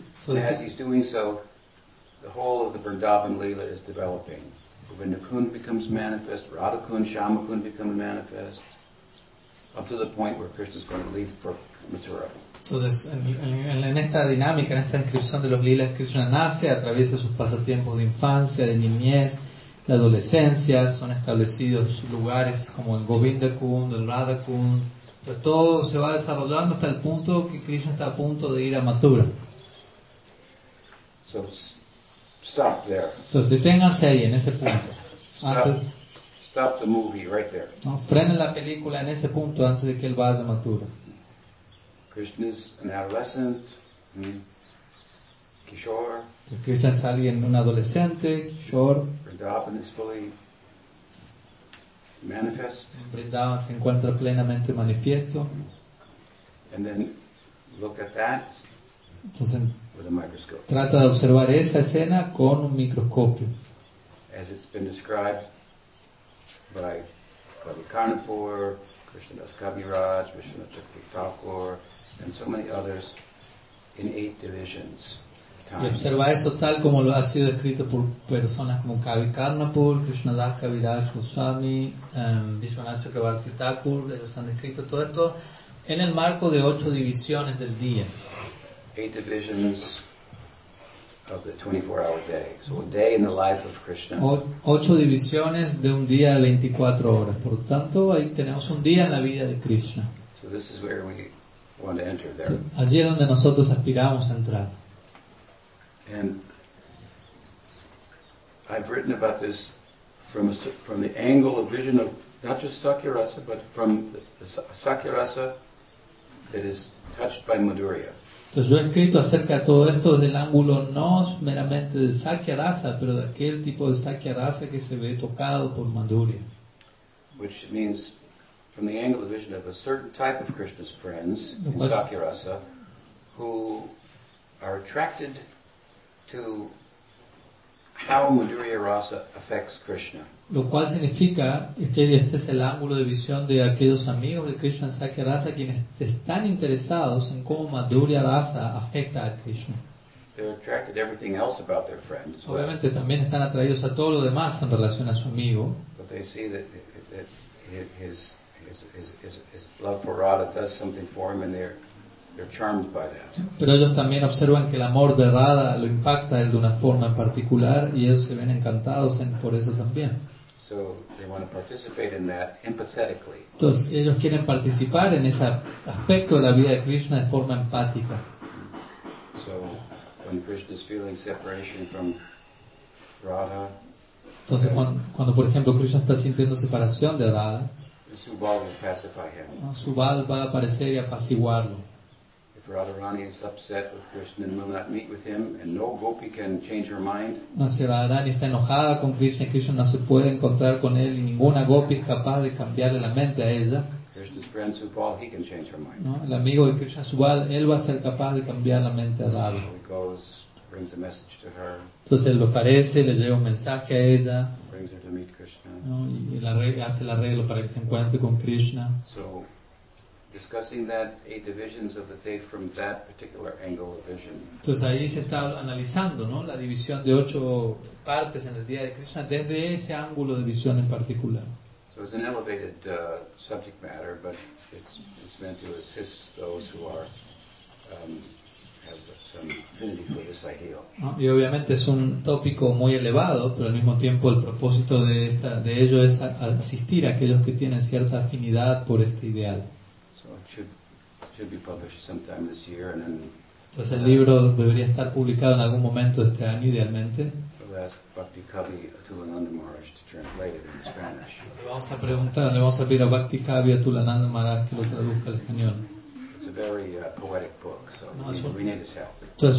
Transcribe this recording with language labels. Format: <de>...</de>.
<en>So and as he's doing so, the whole of the Vrindavan lila is developing. Govindakund becomes manifest, Radhakund, Shyamakund become manifest, up to the point where Krishna is going to leave for Mathura.</en> <es>Entonces, en esta dinámica, en esta descripción de los lilas, Krishna nace, atraviesa sus pasatiempos de infancia, de niñez, la adolescencia, son establecidos lugares como el Govindakund, el Radhakund, pues todo se va desarrollando hasta el punto que Krishna está a punto de ir a Mathura.</es> <en>So, stop there.</en> <es>Entonces, deténganse ahí, en ese punto.</es> <en>Stop the movie right there.</en> <es>No, frenen la película en ese punto antes de que él vaya a Mathura.</es> <en>Krishna is an adolescent, Kishore.</en> <es>Krishna es alguien, un adolescente, Kishore.</es> <en>Vrindavan is fully manifest.</en> <es>Vrindavan se encuentra plenamente manifiesto.</es> <en>And then look at that.</en> <es>Entonces,</es> <en>with a microscope.</en> <es>Trata de observar esa escena con un microscopio.</es> <en>As it's been described by Kavi Karnapur, Krishna Das Kaviraj, Vishnu Chakri Thakur, and so many others in eight divisions.</en> <es>Y observa eso tal como lo ha sido escrito por personas como Kavi Karnapur, Krishna Das Kaviraj Goswami, Vishwanath Chakravarti Thakur, ellos han escrito todo esto en el marco de ocho divisiones del día.</es> <en>Eight divisions of the 24-hour day. So a day in the life of Krishna.</en> <es>Ocho divisiones de un día de 24 horas. Por lo tanto, ahí tenemos un día en la vida de Krishna.</es> <en>So this is where we want to enter there.</en> <es>Allí es donde nosotros aspiramos a entrar.</es> <en>And I've written about this from the angle of vision of not just Sakya Rasa, but from the Sakya Rasa that is touched by Madhurya.</en> <es>Entonces yo he escrito acerca de todo esto desde el ángulo no meramente de Sakya Rasa, pero de aquel tipo de Sakya Rasa que se ve tocado por Madhurya.</es> <en>Which means from the angle of vision of a certain type of Krishna's friends in Sakya Rasa who are attracted to how Madhurya Rasa affects Krishna.</en> <es>Lo cual significa que este es el ángulo de visión de aquellos amigos de Krishna Sakya Rasa quienes están interesados en cómo Madhurya Rasa afecta a Krishna.</es> <en>They're attracted to everything else about their friends.</en> <es>Obviamente well, también están atraídos a todo lo demás en relación a su amigo.</es> <en>But they see that his love for Radha does something for him, and they're charmed by that.</en> <es>Pero ellos también observan que el amor de Radha lo impacta a él de una forma en particular y ellos se ven encantados por eso también.</es> <en>So they want to participate in that empathetically.</en> <es>Entonces ellos quieren participar en ese aspecto de la vida de Krishna de forma empática.</es> <en>So when Krishna is feeling separation from Radha,</en> <es>entonces cuando por ejemplo Krishna está sintiendo separación de Radha,</es> <en>Subal will pacify him.</en> <es>Subal va a aparecer y apaciguarlo.</es> <en>Radharani is upset with Krishna and will not meet with him, and no gopi can change her mind.</en> <es>No, si Radharani está enojada con Krishna, Krishna no se puede encontrar con él y ninguna gopi es capaz de cambiarle la mente a ella.</es> <en>Krishna's friend Subal, he can change her mind.</en> <es>No, el amigo de Krishna Subal, él va a ser capaz de cambiar la mente a Radha.</es> <en>He goes, brings a message to her.</en> <es>Entonces él lo aparece, le lleva un mensaje a ella.</es> <en>Brings her to meet Krishna.</en> <es>No, y hace el arreglo para que se encuentre con Krishna.</es> <en>So, discussing that eight divisions of the day from that particular angle of vision.</en> <es>Entonces ahí se está analizando, ¿no? La división de ocho partes en el día de Krishna desde ese ángulo de visión en particular.</es> <en>So it's an elevated subject matter, but it's meant to assist those who are have some affinity for this ideal.</en> <es>Y obviamente es un tópico muy elevado, pero al mismo tiempo el propósito de esta de ello es asistir a aquellos que tienen cierta afinidad por este ideal. So it should be published sometime this year, and then. Entonces el libro debería estar publicado en algún momento este año, idealmente. Le vamos a pedir a Bhakti Kavi Atulananda Maharaj que lo traduzca al español. Entonces</es>